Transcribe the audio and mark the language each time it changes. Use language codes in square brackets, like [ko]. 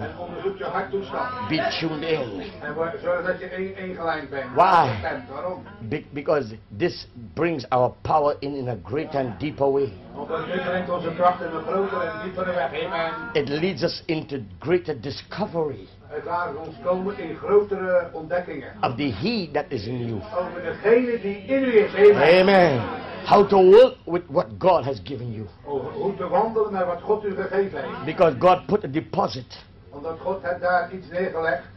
[nl] En onderzoek je harttoestand. [en] Be tuned in. [nl] En zorg dat je ingelijnd bent. [en] Why? [nl] Waarom? [en] Because this brings our power in a greater and deeper way. [nl] Omdat dit brengt onze kracht in een grotere en diepere weg. Amen. [en] It leads us into greater discovery. [nl] Het laat ons komen in grotere ontdekkingen. [en] Of the He that is in you. [nl] Over degene die in u is. Amen. Amen. [en] How to work with what God has given you. [nl] Hoe te wandelen naar wat God u gegeven heeft. [en] Because God put a deposit. [nl] Omdat God heeft daar iets neergelegd.